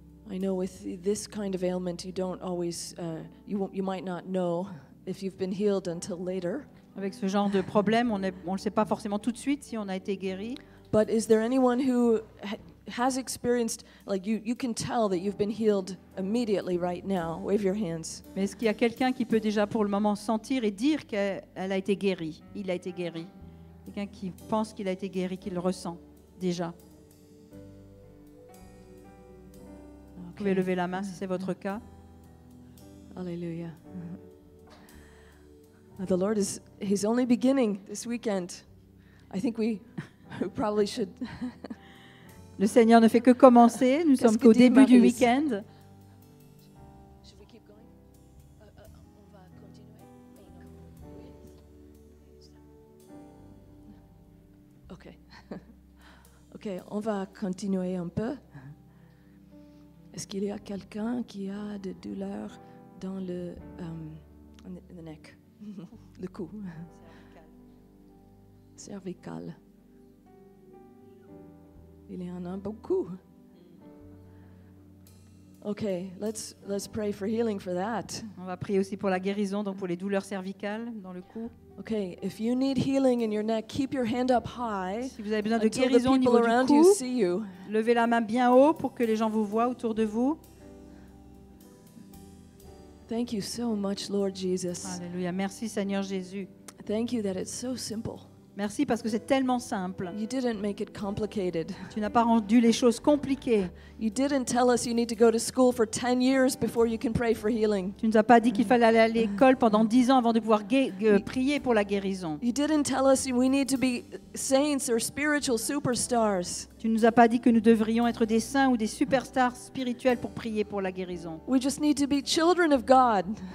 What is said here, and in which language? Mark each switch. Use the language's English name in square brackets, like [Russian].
[English] I know with this kind of ailment, you don't always, you might not know if you've been healed until later. [French] Avec ce genre de problème, on ne sait pas forcément tout de suite si on a été guéri. [English] But is there anyone who has experienced, like you can tell that you've been healed immediately right now? Wave your hands. [French] Mais est-ce qu'il y a quelqu'un qui peut déjà pour le moment sentir et dire qu'elle a été guérie? Il a été guéri. Quelqu'un qui pense qu'il a été guéri, qu'il le ressent déjà. Okay. Vous pouvez lever la main si c'est votre cas. Alléluia. [English] The Lord is—he's only beginning this weekend. I think we probably should. [French] Le Seigneur ne fait que commencer. Nous sommes qu'au début du week-end. [English] Should we keep going? [French] On va continuer. [English] Okay. [French] Okay, on va continuer un peu. Est-ce qu'il y a quelqu'un qui a des douleurs dans le [English] in the neck? [French] Le cou. [English] Cervical. [French] Il y en a beaucoup. [English] Okay, let's pray for healing for that. [French] On va prier aussi pour la guérison, donc pour les douleurs cervicales dans le cou. [English] Okay, if you need healing in your neck, keep your hand up high. [French] Si vous avez besoin de guérison au niveau du cou, levez la main bien haut pour que les gens vous voient autour de vous. [English] Thank you so much, Lord Jesus. [French] Alléluia. Merci, Seigneur Jésus. [English] Thank you that it's so simple. [French] Merci parce que c'est tellement simple. [English] You didn't make it complicated. [French] Tu n'as pas rendu les choses compliquées. [English] You didn't tell us you need to go to school for 10 years before you can pray for healing. [French] Tu nous as pas dit qu'il fallait aller à l'école pendant 10 ans avant de pouvoir prier pour la guérison. [English] You didn't tell us we need to be saints or spiritual superstars. [French] Tu nous as pas dit que nous devrions être des saints ou des superstars spirituels pour prier pour la guérison. [English] We just need to be children of God.